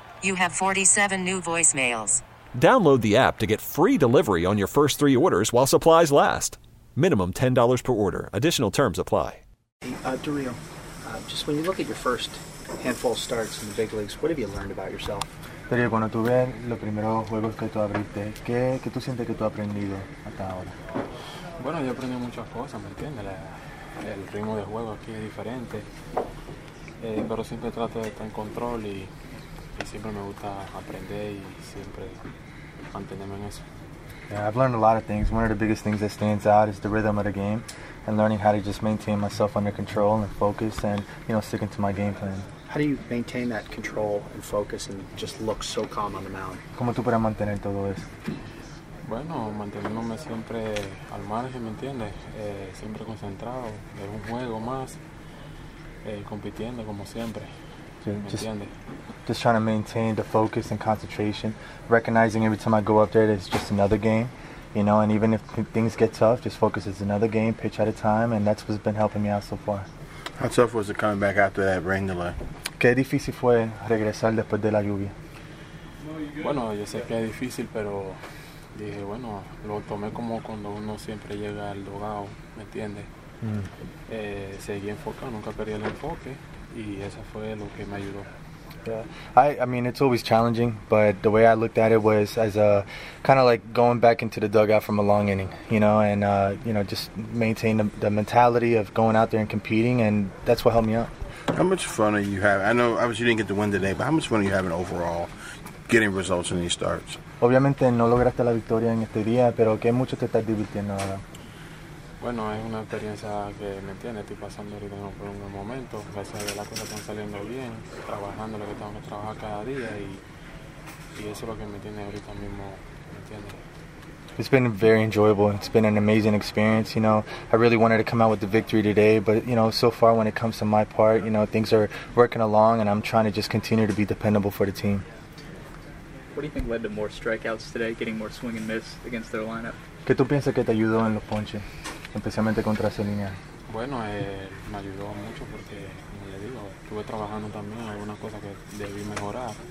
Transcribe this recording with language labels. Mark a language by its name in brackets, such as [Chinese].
[English] You have 47 new voicemails. Download the app to get free delivery on your first three orders while supplies last. Minimum $10 per order. Additional terms apply. Dario, just when you look at your first handful of starts in the big leagues, what have you learned about yourself? [Spanish] Dario, cuando tú ves los primeros juegos que tú abriste, ¿qué tú sientes que tú has aprendido hasta ahora? Bueno, yo he aprendido muchas cosas, ¿me entiendes? El ritmo de juego aquí es diferente, pero siempre trato de estar en control y siempre me gusta aprender y siempre mantenerme en eso. [English] Yeah, I've learned a lot of things. One of the biggest things that stands out is the rhythm of the game and learning how to just maintain myself under control and focus and, you know, sticking to my game plan. How do you maintain that control and focus and just look so calm on the mound? [Spanish] ¿Cómo tú puedes mantener todo eso? Bueno, manteniéndome siempre al margen, ¿me entiendes? Siempre concentrado, en un juego más, compitiendo como siempre, ¿me entiendes? [English] Just trying to maintain the focus and concentration, recognizing every time I go up there that it's just another game, you know, and even if things get tough, just focus, it's another game, pitch at a time, and that's what's been helping me out so far. How tough was it coming back after that rain delay? [Spanish] ¿Qué difícil fue regresar después de la lluvia? Bueno, yo sé que es difícil, pero dije, bueno, lo tomé como cuando uno siempre llega al dugout, ¿me entiendes? Seguí enfocado, nunca perdí el enfoque, y eso fue lo que me ayudó. [English] Yeah, I mean, it's always challenging, but the way I looked at it was as a kind of like going back into the dugout from a long inning, you know, and, you know, just maintain the mentality of going out there and competing, and that's what helped me out. How much fun are you having? I know, obviously, you didn't get the win today, but how much fun are you having overall getting results in these starts? [Spanish] Obviamente, no lograste la victoria en este día, pero ¿qué mucho te estás divirtiendo ahora? Bueno, es una experiencia que me entiende, estoy pasando ahorita por un buen momento, gracias a que las cosas están saliendo bien, trabajando lo que tengo que trabajar cada día y eso es lo que me tiene ahorita mismo, me entiende. [English] It's been very enjoyable. It's been an amazing experience. You know, I really wanted to come out with the victory today, but, you know, so far when it comes to my part, you know, things are working along and I'm trying to just continue to be dependable for the team. What do you think led to more strikeouts today, getting more swing and miss against their lineup? [Spanish] ¿Qué tú piensas que te ayudó en los ponches? Especialmente contra esa línea. Bueno, me ayudó mucho porque, como le digo, estuve trabajando también algunas cosas que debí mejorar.